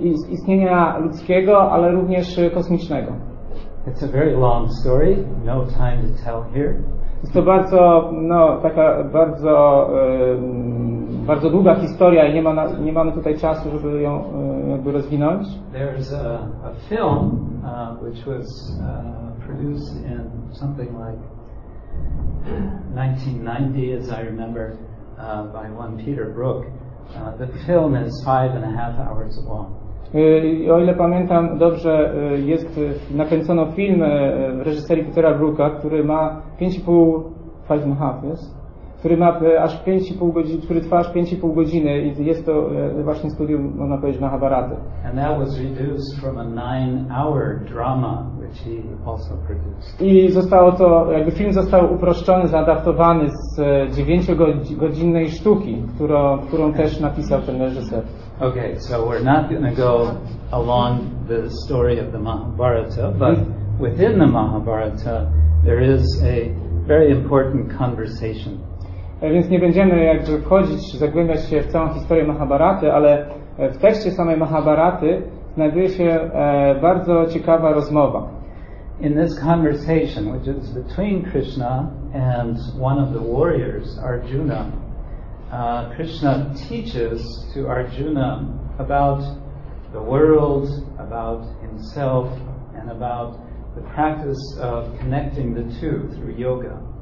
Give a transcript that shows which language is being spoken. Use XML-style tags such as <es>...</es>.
<pl>Istnienia ludzkiego, ale również kosmicznego.</pl> <en>It's a very long story, no time to tell here.</en> <pl>Jest to bardzo, no, taka bardzo, bardzo długa historia i nie mamy tutaj czasu, żeby ją jakby rozwinąć.</pl> <en>There's a film which was produced in something like 1990, as I remember, by one Peter Brook. The film is 5.5 hours long.</en> <pl>O ile pamiętam dobrze, jest nakręcono film w reżyserii Petera Brooka, który ma 5.5</pl> <en>hours, yes?</en> <pl>Który ma aż 5,5 godziny, który trwa aż 5,5 godziny i jest to właśnie studium, można powiedzieć, Mahabharaty.</pl> <en>And that was reduced from a 9-hour drama, which he also produced.</en> <pl>I zostało to, jakby film został uproszczony, zaadaptowany z 9-godzinnej sztuki, którą też napisał ten reżyser.</pl> <en>Okay, so we're not gonna go along the story of the Mahabharata, but within the Mahabharata there is a very important conversation.</en> <pl>Więc nie będziemy jakby wchodzić, zagłębiać się w całą historię Mahabharaty, ale w tekście samej Mahabharaty znajduje się bardzo ciekawa rozmowa.</pl> <en>In this conversation, which is between Krishna and one of the warriors, Arjuna, Krishna teaches to Arjuna about the world, about himself, and about the practice of connecting the two through yoga.</en>